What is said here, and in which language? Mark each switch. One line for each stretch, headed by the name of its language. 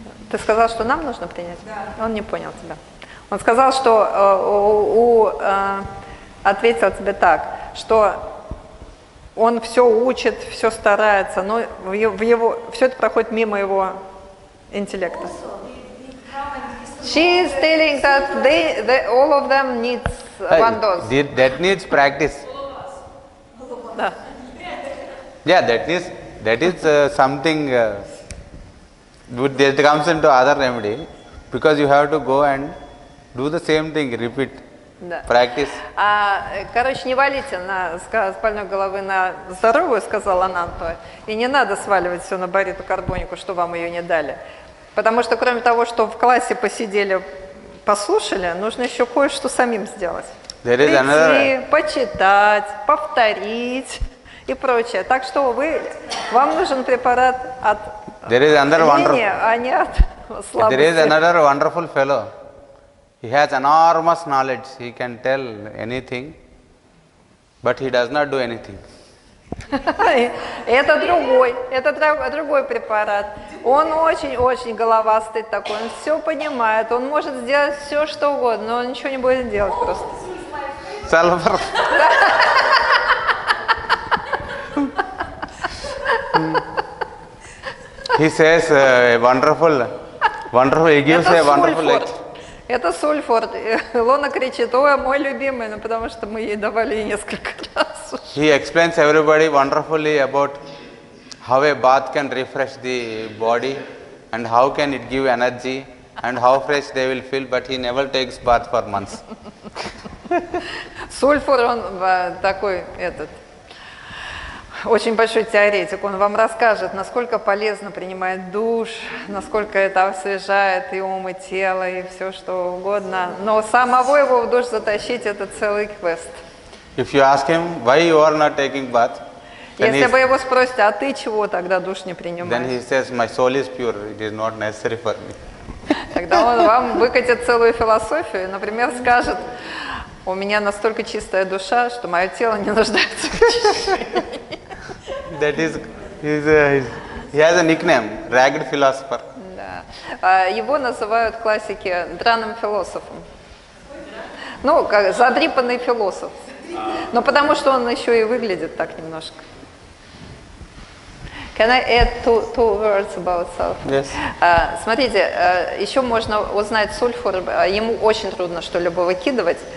Russian: Ты сказал, что нам нужно принять? Да. Он не понял тебя. Он сказал, что ответил тебе так, что он все учит, все старается, но в его все это проходит мимо его интеллекта.
English: She is telling that they all of them needs one dose. That needs practice.
Russian: Да.
English: Yeah, that is something that comes into other remedy because you have to go and do the same thing, repeat.
Russian: Да.
English: Practice.
Russian: Короче, не валите на спальной головы на здоровую, сказал Анантоя, и не надо сваливать все на бариту карбонику, что вам ее не дали. Потому что кроме того, что в классе посидели, послушали, нужно еще кое-что самим сделать.
English: There is another...
Russian: Прийти, почитать, повторить и прочее. Так что вам нужен препарат от мнения,
English: wonderful...
Russian: а не от слабости.
English: There is another wonderful fellow. He has enormous knowledge. He can tell anything, but he does not do anything.
Russian: Это другой препарат. Он очень-очень головастый такой. Он все понимает. Он может сделать все, что угодно, но он ничего не будет делать просто. Сальвар.
English: He says wonderful. He gives a wonderful lecture.
Russian: Это сульфур. Лона кричит: «О, мой любимый!» Ну, потому что мы ей давали несколько раз.
English: He explains everybody wonderfully about how a bath can refresh the body and how can it give energy and how fresh they will feel, but he never takes bath for months.
Russian: Сульфур, он такой, этот, очень большой теоретик, он вам расскажет, насколько полезно принимает душ, насколько это освежает и ум, и тело, и все что угодно, но самого его в душ затащить, это целый квест.
English: If you ask him, why you are not taking bath?
Russian: Если вы его спросите, а ты чего тогда душ не принимаешь?
English: Then he says, my soul is pure, it is not necessary for me.
Russian: Тогда он вам выкатит целую философию, например, скажет, у меня настолько чистая душа, что мое тело не нуждается в очищении.
English: That is, he has a nickname, ragged philosopher.
Russian: Да. Его называют классики драным философом. Ну, как задрипанный философ. Но потому что он еще и выглядит так немножко.
English: Can I add two words about self? Yes.
Russian: Смотрите, еще можно узнать сульфур, ему очень трудно что-либо выкидывать.